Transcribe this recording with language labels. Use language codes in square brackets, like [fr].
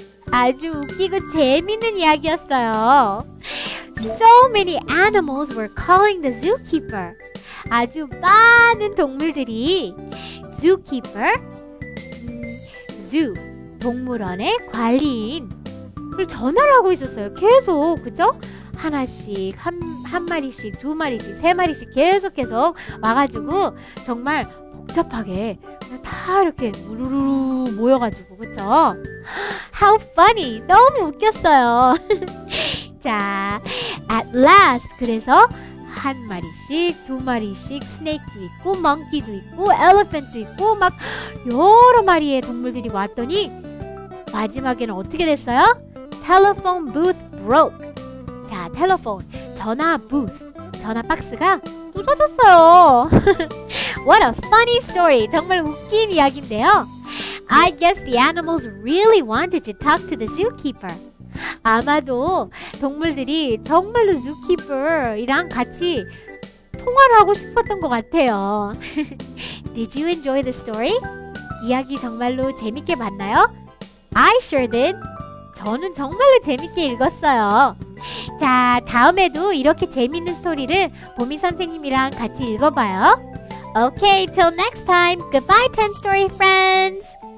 [ko] 아주 웃기고 재밌는 이야기였어요. [en] So many animals were calling the zookeeper. [ko] 아주 많은 동물들이 zookeeper, zoo, 동물원의 관리인을 전화를 하고 있었어요. 계속, 그죠? 하나씩, 한 마리씩, 두 마리씩, 세 마리씩 계속 와가지고 정말 복잡하게 다 이렇게 우르르 모여가지고, 그쵸? [en] How funny! [ko] 너무 웃겼어요. [en] 자, at last. [ko] 그래서 한 마리씩, 두 마리씩, snake도 있고, monkey도 있고, elephant도 있고, 막 여러 마리의 동물들이 왔더니, 마지막에는 어떻게 됐어요? [en] Telephone booth broke. 자, telephone. 전화 booth. [ko] 전화 박스가 부서졌어요. [en] What a funny story. [ko] 정말 웃긴 이야기인데요. [en] I guess the animals really wanted to talk to the zookeeper. [ko] 아마도 동물들이 정말로 zookeeper이랑 같이 통화를 하고 싶었던 것 같아요. [en] Did you enjoy the story? [ko] 이야기 정말로 재밌게 봤나요? [en] I sure did. [ko] 저는 정말로 재밌게 읽었어요. 자, 다음에도 이렇게 재밌는 스토리를 보미 선생님이랑 같이 읽어봐요. [en] Okay, till next time. Goodbye, 10 Story Friends.